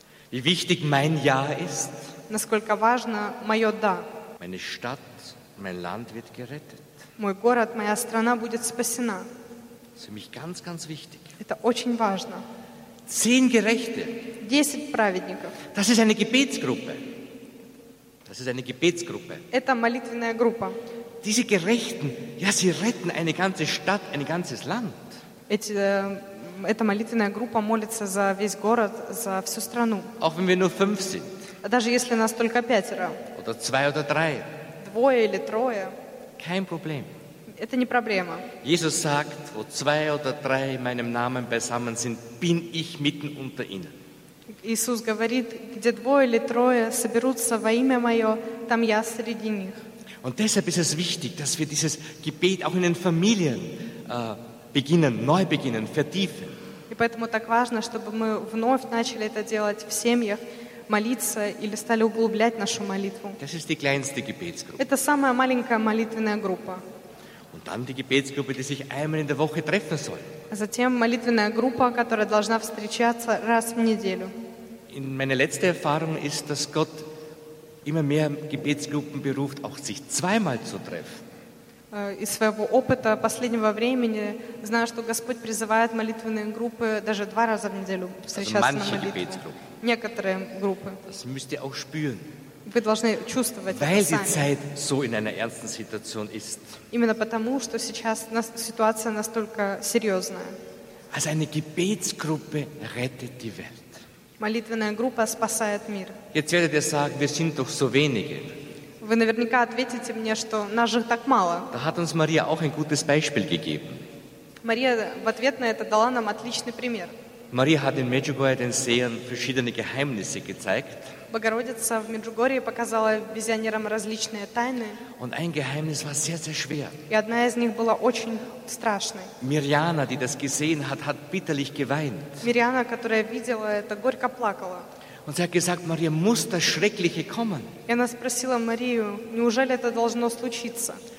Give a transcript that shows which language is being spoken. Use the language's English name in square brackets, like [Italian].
[German] Wie wichtig mein Ja ist? [Russian] Насколько важно мое Да. [German] Meine Stadt, mein Land wird gerettet. [Russian] Мой город, моя страна будет спасена. [German] Das ist für mich ganz, ganz wichtig. [Russian] Это очень важно. [German] 10 Gerechte. [Russian] 10 праведников. [German] Das ist eine Gebetsgruppe. Das ist eine Gebetsgruppe. [Russian] Это молитвенная группа. [German] Diese Gerechten, ja, sie retten eine ganze Stadt, ein ganzes Land. [Russian] Эта молитвенная группа молится за весь город, за всю страну. [German] Auch wenn wir nur fünf sind. [Russian] Даже если нас только пятеро. [German] Oder zwei oder drei. [Russian] Двое или трое. [German] Kein Problem. [Russian] Это не проблема. [German] Jesus sagt, wo zwei oder drei in meinem Namen beisammen sind, bin ich mitten unter ihnen. [Russian] Иисус говорит, где двое или трое соберутся во имя Мое, там Я среди них. [German] Und deshalb ist es wichtig, dass wir dieses Gebet auch in den Familien beginnen, neu beginnen, vertiefen. [Russian] И поэтому так важно, чтобы мы вновь начали это делать в семьях, молиться или стали углублять нашу молитву. [German] Das ist die kleinste Gebetsgruppe. [Russian] Это самая маленькая молитвенная группа. [German] Und dann die Gebetsgruppe, die sich einmal in der Woche treffen soll. [Russian] Затем молитвенная группа, которая должна встречаться раз в неделю. [German] In meine letzte Erfahrung ist, dass Gott immer mehr Gebetsgruppen beruft, auch sich zweimal zu treffen. [Russian] Из своего опыта последнего времени знаю, что Господь призывает молитвенные группы даже два раза в неделю встречаться [German] also [Russian] на молитву. Некоторые группы. [German] Das müsst ihr auch spüren. [Russian] Вы должны чувствовать [German] Weil [Russian] это сами. [German] Die Zeit so in einer ernsten Situation ist. [Russian] Именно потому, что сейчас ситуация настолько серьезная. [German] Also eine Gebetsgruppe rettet die Welt. [Russian] Молитвенная группа спасает мир. [German] Jetzt werdet ihr sagen, wir sind doch so wenige. [Russian] Вы наверняка ответите мне, что нас же так мало. [German] Da hat uns Maria auch ein gutes Beispiel gegeben. [Russian] Maria в ответ на это дала нам отличный пример. [German] Maria hat in Medjugorje den Sehern verschiedene Geheimnisse gezeigt. [Russian] Богородица в Меджугорье показала визионерам различные тайны. [German] Und ein Geheimnis war sehr, sehr schwer. [Russian] И одна из них была очень страшной. [German] Mirjana, die das gesehen hat, hat bitterlich geweint. [Russian] Mirjana, которая видела это, горько плакала. [German] Und sie hat gesagt, Maria, muss das Schreckliche kommen? [Russian] И она спросила Марию, неужели это должно случиться?